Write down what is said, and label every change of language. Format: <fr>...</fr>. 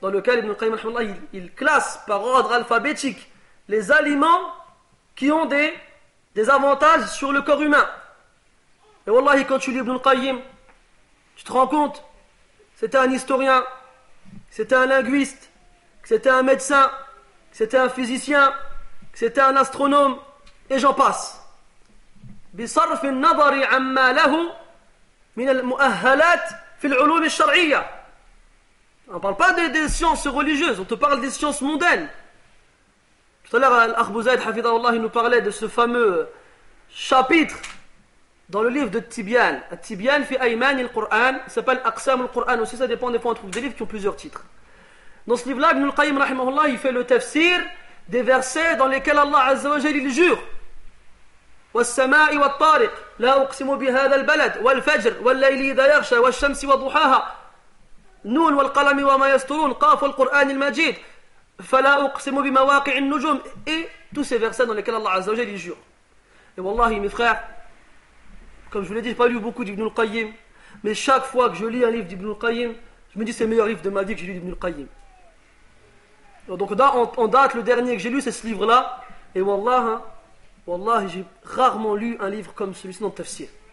<fr>Dans lequel Ibn al-Qayyim al-Hamdallah, il classe par ordre alphabétique les aliments qui ont des avantages sur le corps humain. Et wallahi, quand tu lis Ibn al-Qayyim, tu te rends compte, c'était un historien, c'était un linguiste, c'était un médecin, c'était un physicien, c'était un astronome. Et j'en passe.</fr> <ar>بصرف النظر عما له من المؤهلات في العلوم الشرعية.</ar> <fr>On ne parle pas des sciences religieuses, on te parle des sciences mondaines. Tout à l'heure, l'Akh Bouzaïd, Hafidhahullah, il nous parlait de ce fameux chapitre dans le livre de Tibyan. Tibyan fi Ayman al-Qur'an, il s'appelle Aqsam al-Qur'an aussi, ça dépend des fois, on trouve des livres qui ont plusieurs titres. Dans ce livre-là, Ibn al-Qayyim, rahimahullah, il fait le tafsir des versets dans lesquels Allah Azza wa Jalla il jure.</fr> <ar>والسماء والطارق لا أقسم بهذا البلد والفجر والليل إذا يغشى والشمس وضحاها نون والقلم وما يسطرون قاف القرآن المجيد فلا أقسم بمواقع النجوم</ar> <fr>et tous ces versets dans lesquels Allah Azza wa Jalla il jure. Et wallahi mes frères, comme je vous l'ai dit, je n'ai pas lu beaucoup d'Ibn al-Qayyim, mais chaque fois que je lis un livre d'Ibn al-Qayyim, je me dis c'est le meilleur livre de ma vie que j'ai lu d'Ibn al-Qayyim. Donc en date, le dernier que j'ai lu, c'est ce livre-là. Et wallah, hein, wallah, j'ai rarement lu un livre comme celui-ci dans le tafsir.</fr>